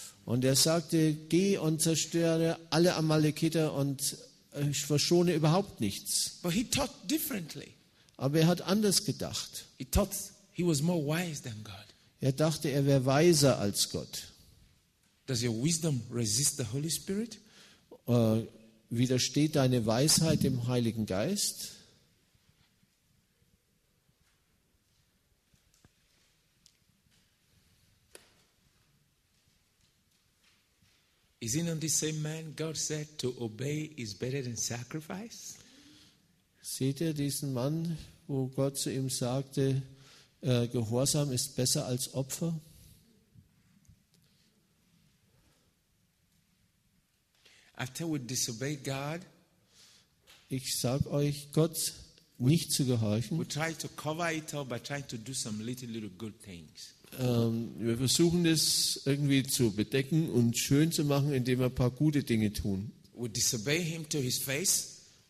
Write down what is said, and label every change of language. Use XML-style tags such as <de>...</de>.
<de>Und er sagte, geh und zerstöre alle Amalekiter und verschone überhaupt nichts.</de> <en>But he taught differently.</en> <de>Aber er hat anders gedacht.</de> <en>He thought he was more wise than God.</en> <de>Er dachte, er wäre weiser als Gott.</de> <en>Does your wisdom resist the Holy Spirit?</en> <de>Widersteht deine Weisheit dem Heiligen Geist?</de> <en>Isn't the same man God said to obey is better than sacrifice?</en> <de>Seht ihr diesen Mann, wo Gott zu ihm sagte, Gehorsam ist besser als Opfer?</de> <en>After we disobey God,</en> <de>ich sag euch, Gott nicht zu gehorchen.</de> <en>We try to cover it up by trying to do some little good things.</en> <de>Wir versuchen es irgendwie zu bedecken und schön zu machen, indem wir ein paar gute Dinge tun.</de> <en>We disobey him to his face.</en>